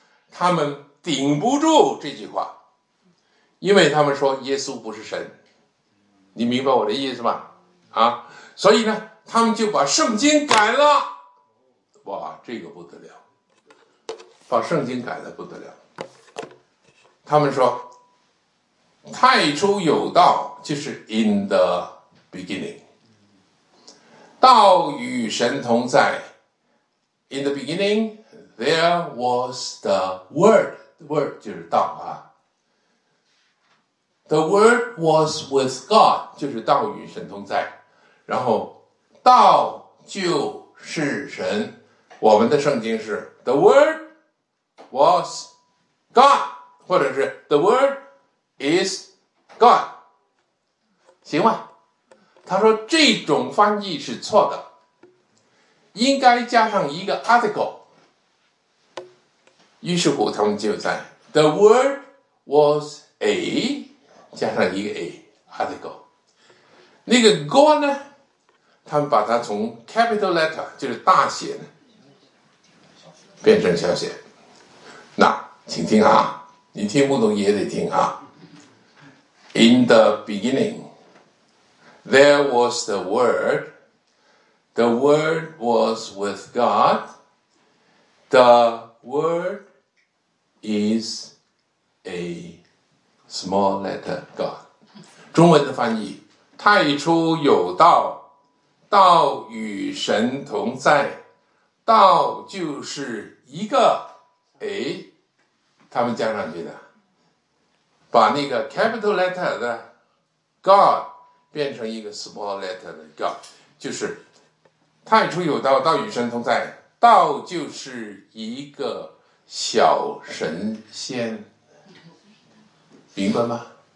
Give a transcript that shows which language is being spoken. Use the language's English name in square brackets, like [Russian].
[Chinese] 他们顶不住这句话，因为他们说耶稣不是神，你明白我的意思吗？啊，所以呢他们就把圣经改了。哇，这个不得了，把圣经改了不得了。他们说太初有道，就是 [English] in the beginning， 道与神同在， in the beginning there was the word， [Chinese] the word 就是道啊， [English] the word was with God， [Chinese] 就是道与神同在，然后道就是神。我们的圣经是 [English] The word was [Chinese] God， 或者是 [English] The word is God， [Chinese] 行吗？他说这种翻译是错的，应该加上一个 article。于是乎他们就在 The word was a 加上一个 a article。那个 God 呢，他们把它从 capital letter 就是大写呢变成小写。那请听啊，你听不懂也得听啊。 [English] In the beginning there was the word, the word was with God, the word is a small letter God。 [Chinese] 中文的翻译，太初有道，道与神同在，道就是一个 A。他们加上去的，把那个 capital letter 的 God 变成一个 small letter 的 God， 就是太初有道，道与神同在，道就是一个小神仙，明白吗？